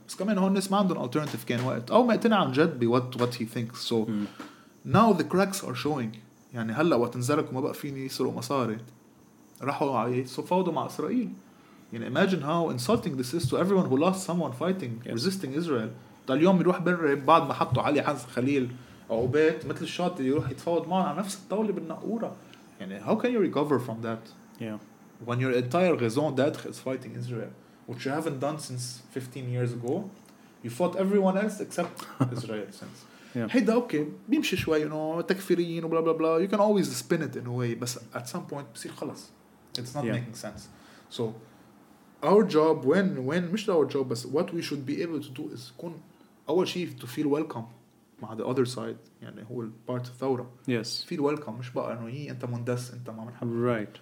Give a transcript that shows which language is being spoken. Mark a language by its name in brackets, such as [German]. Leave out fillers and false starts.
[Arabic] بس كمان هون الناس ما عندهم alternative كان وقت أو ما اقتنع عن جد ب [English] what he thinks so now the cracks are showing [Arabic] يعني هلا وقت انزلك وما بقى فيني يسرق مصاري راحوا فاوضوا مع إسرائيل يعني [English] imagine how insulting this is to everyone who lost someone fighting [Arabic] yes. [English] resisting Israel [Arabic] طال اليوم يروح بره بعد ما حطوا علي عز خليل أو بيت مثل الشاط يروح يتفاوض معه على نفس الطاولة بالنقورة يعني [English] how can you recover from that yeah. when your entire raison d'être is fighting Israel which you haven't done since 15 years ago. You fought everyone else except Israel since. Yeah. [Arabic] هيدا اوكي بيمشي شوي [English] you know, [Arabic] تكفيريين وبلا بلا بلا. [English] You can always spin it in a way. بس at some point [Arabic] بصير خلص. [English] It's not yeah. making sense. So our job when مش our job بس what we should be able to do is [Arabic] كون أول شيء [English] to feel welcome مع the other side [Arabic] يعني هو [English] part of ثورة. Yes. Feel welcome [Arabic] مش بقى انه هي انت مندس انت ما منحب.